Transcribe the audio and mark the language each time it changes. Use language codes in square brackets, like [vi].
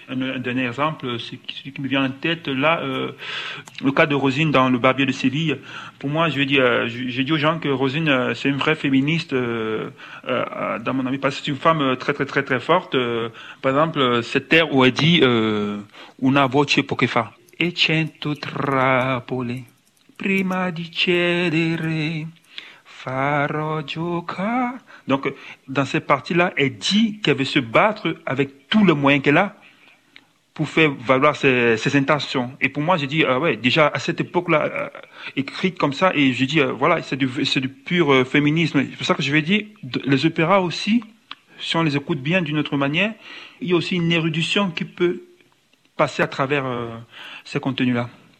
[fr] Un dernier exemple, c'est celui qui me vient en tête, là, le cas de Rosine dans Le Barbier de Séville. Pour moi, j'ai dit aux gens que Rosine, c'est une vraie féministe, dans mon avis, parce que c'est une femme très, très, très, très forte. Par exemple, cette terre où elle dit « [it] Una voce pokefa ». « E cento trappole, prima di cedere, farò giocare ». [fr] Donc, dans cette partie-là, elle dit qu'elle veut se battre avec tous les moyens qu'elle a pour faire valoir ses intentions. Et pour moi, j'ai dit, déjà à cette époque-là, écrite comme ça, et j'ai dit, voilà, c'est du pur féminisme. C'est pour ça que je vais dire, les opéras aussi, si on les écoute bien d'une autre manière, il y a aussi une érudition qui peut passer à travers ces contenus-là.